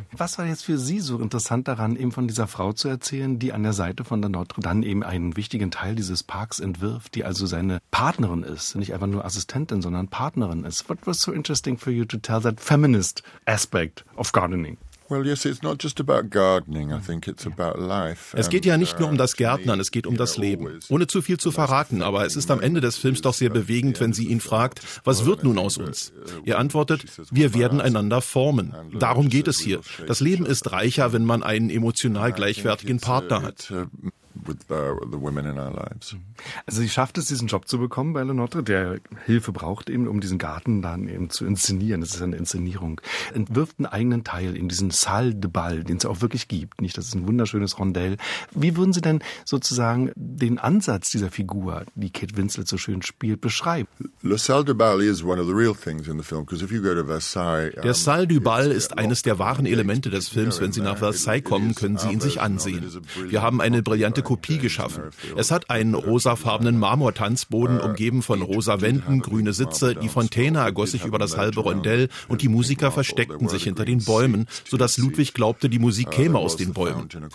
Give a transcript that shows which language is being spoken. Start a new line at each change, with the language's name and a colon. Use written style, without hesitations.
German: Was war jetzt für Sie so interessant daran, eben von dieser Frau zu erzählen, die an der Seite von der Notre Dame eben einen wichtigen Teil dieses Parks entwirft, die also seine Partnerin ist, nicht einfach nur Assistentin, sondern Partnerin ist?
English: What was so interesting for you to tell that feminist aspect of gardening? Well, yes, it's not just about gardening. I think it's about life.
German: Es geht ja nicht nur um das Gärtnern, es geht um das Leben. Ohne zu viel zu verraten, aber es ist am Ende des Films doch sehr bewegend, wenn sie ihn fragt, was wird nun aus uns? Er antwortet, wir werden einander formen. Darum geht es hier. Das Leben ist reicher, wenn man einen emotional gleichwertigen Partner hat.
English: With the women in our lives.
German: Also sie schafft es, diesen Job zu bekommen bei Le Notre, der Hilfe braucht eben, um diesen Garten dann eben zu inszenieren. Das ist eine Inszenierung. Entwirft einen eigenen Teil in diesen Salle de Bal, den es auch wirklich gibt. Nicht? Das ist ein wunderschönes Rondell. Wie würden Sie denn sozusagen den Ansatz dieser Figur, die Kate Winslet so schön spielt, beschreiben?
English: Le Salle de Bal is one of the real things in the film, because if you go to Versailles...
German: Der Salle du Bal ist eines der wahren Elemente des Films. Wenn Sie nach Versailles kommen, können Sie ihn sich ansehen. Wir haben eine brillante Kopie geschaffen. Es hat einen rosafarbenen Marmortanzboden, umgeben von rosa Wänden, grüne Sitze, die Fontäne ergoss sich über das halbe Rondell und die Musiker versteckten sich hinter den Bäumen, sodass Ludwig glaubte, die Musik käme aus den Bäumen.